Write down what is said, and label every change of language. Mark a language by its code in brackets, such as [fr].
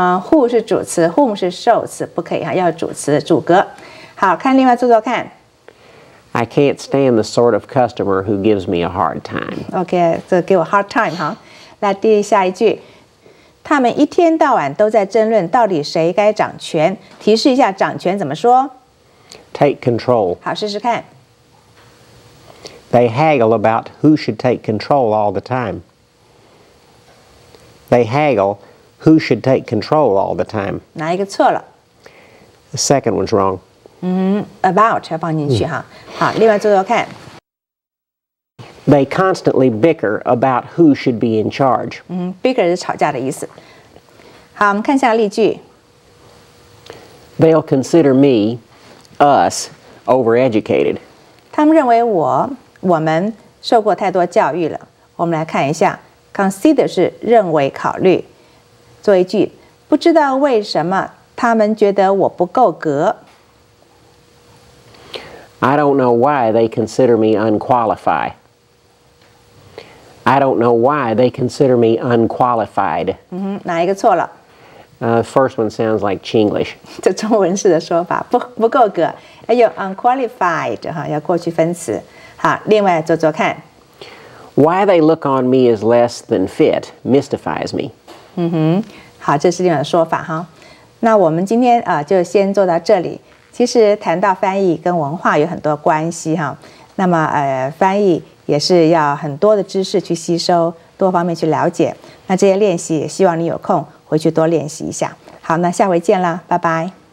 [zh] Who 是主词 ，whom 是受词，不可以哈，要主词主格。好看，另外做做看。 [en] I can't stand the sort of customer who gives me a hard time. [zh] Okay, 这给我 [en] hard time [zh] 哈。来，第下一句，他们一天到晚都在争论到底谁该掌权。提示一下，掌权怎么说 [en] ？Take control. [zh] 好，试试看。 [en] They haggle about who should take control all the time. They haggle who should take control all the time. [zh] 哪一个错了 [en] ？The second one's wrong. [zh] About 要放进去哈。好，另外做做看。 [en] They constantly bicker about who should be in charge. [zh] Bicker 是吵架的意思。好，我们看一下例句。 [en] They'll consider me, us, overeducated. [zh] 他们认为我。我们受过太多教育了。我们来看一下 ，consider 是认为、考虑。做一句，不知道为什么他们觉得我不够格。 [en] I don't know why they consider me unqualified. I don't know why they consider me unqualified. [zh] 哪一个错了？ [en] First one sounds like Chinglish. [zh] 这中文式的说法，不够格，还有 unqualified 哈，要过去分词。好，另外做做看。 [en] Why they look on me as less than fit mystifies me. [zh] 好，这是另外的说法哈。那我们今天就先做到这里。其实谈到翻译跟文化有很多关系哈。那么翻译也是要很多的知识去吸收，多方面去了解。那这些练习也希望你有空回去多练习一下。好，那下回见啦，拜拜。